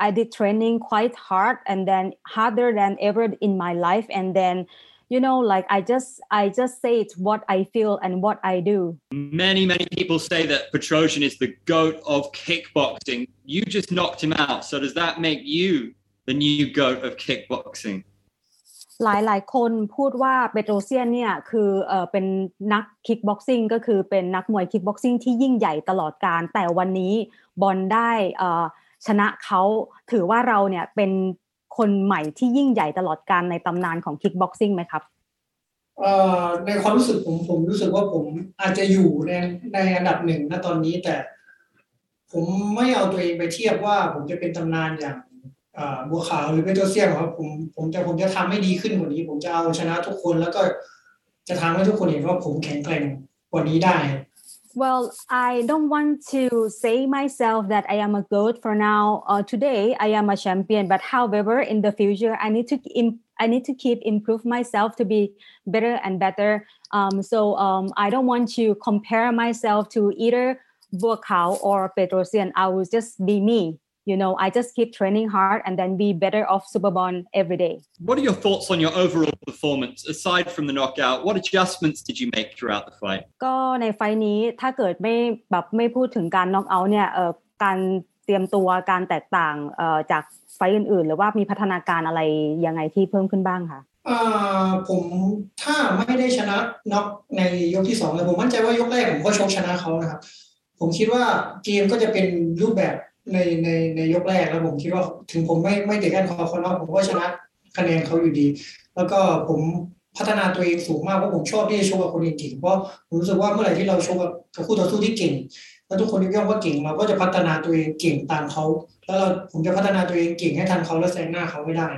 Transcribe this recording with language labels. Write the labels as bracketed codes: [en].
[en] I did training quite hard and then harder than ever in my life. And then, you know, like I just say it's what I feel and what I do. Many, many people say that Petrosian is the GOAT of kickboxing. You just knocked him out. So does that make you the new GOAT of kickboxing? [th] หลายหลายคนพูดว่าเปโตรเซียนเนี่ยคือเป็นนักคิกบ็อกซิ่งก็คือเป็นนักมวยคิกบ็อกซิ่งที่ยิ่งใหญ่ตลอดกาลแต่วันนี้บอลได้ชนะเขาถือว่าเราเนี่ยเป็นคนใหม่ที่ยิ่งใหญ่ตลอดกาลในตำนานของคิกบ็อกซิ่งไหมครับ ในความรู้สึกผมรู้สึกว่าผมอาจจะอยู่ในอันดับหนึ่งณตอนนี้แต่ผมไม่เอาตัวเองไปเทียบว่าผมจะเป็นตำนานอย่างบัวขาวหรือเปโตรเซียนครับผมแต่ผมจะทำให้ดีขึ้นกว่านี้ผมจะเอาชนะทุกคนแล้วก็จะทำให้ทุกคนเห็นว่าผมแข็งแกร่งกว่านี้ได้ [en] Well I don't want to say myself that I am a goat for now today I am a champion but however in the future I need to keep improve myself to be better and better so I don't want to compare myself to either บัวขาว or เปโตรเซียน I will just be meYou know, I just keep training hard and then be better off Superbon every day. What are your thoughts on your overall performance? Aside from the knockout, what adjustments did you make throughout the fight? [th] ก็ในไฟนี้ถ้าเกิดไม่พูดถึงการน็อกเอาท์เนี่ยการเตรียมตัวการแตกต่างจากไฟอื่นๆหรือว่ามีพัฒนาการอะไรยังไงที่เพิ่มขึ้นบ้างคะ ผมถ้าไม่ได้ชนะน็อกในยกที่2แล้วผมมั่นใจว่ายกแรกผมก็ชกชนะเขานะครับผมคิดว่าเกมก็จะเป็นรูปแบบในยกแรกแล้วผมคิดว่าถึงผมไม่ติดกันคอคอนอกผมก็ชนะคะแนนเขาอยู่ดีแล้วก็ผมพัฒนาตัวเองสูงมากเพราะผมชอบที่จะชกกับคนเก่งเพราะผมรู้สึกว่าเมื่อไหร่ที่เราชกกับคู่ต่อสู้ที่เก่งแล้วทุกคนยกย่องว่าเก่งเราก็จะพัฒนาตัวเองเก่งตามเขาแล้วผมจะพัฒนาตัวเองเก่งให้ทันเขาและแซงหน้าเขาไม่ได